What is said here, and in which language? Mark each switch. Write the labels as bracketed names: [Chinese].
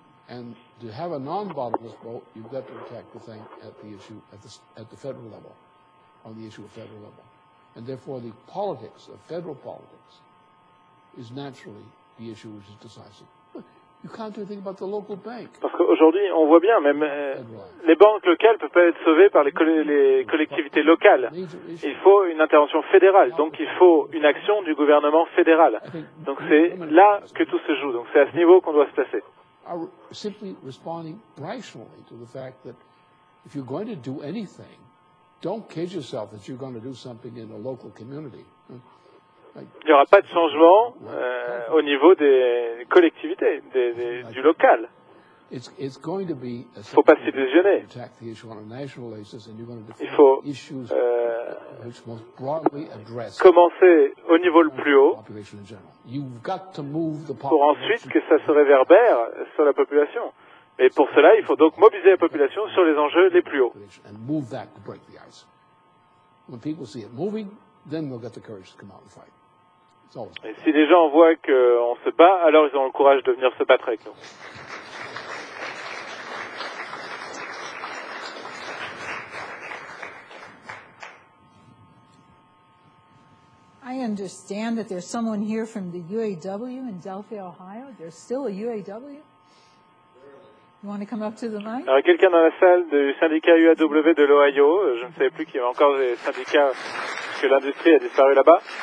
[English] And to have a non-bottomless boat, you've got to attack the thing at the issue at the federal level, on the issue of federal level. And therefore, the politics of federal politics is naturally the issue which is decisive. You can't do anything about the local bank. [French] Parce qu'aujourd'hui, on voit bien, même les banques locales ne peuvent pas être sauvées par les collectivités locales. Il faut une intervention fédérale, donc il faut une action du gouvernement fédéral. Donc c'est là que tout se joue, donc c'est à ce niveau qu'on doit se placer. [English] Simply responding rationally to the fact that if you're going to do anything, don't kid yourself that you're going to do something in a local community. [French] Il n'y aura pas de changement au niveau des collectivités, du local. Il ne faut pas s'illusionner. Il faut commencer au niveau le plus haut pour ensuite que ça se réverbère sur la population. Et pour cela, il faut donc mobiliser la population sur les enjeux les plus hauts. Et si les gens voient qu'on se bat, alors ils ont le courage de venir se battre avec nous. [English] I understand that there's someone here from the UAW in Delphi, Ohio. There's still a UAW? You want to come up to the mic? [French] Alors, quelqu'un dans la salle du syndicat UAW de l'Ohio, je ne savais plus qu'il y avait encore des syndicats, puisque l'industrie a disparu là-bas.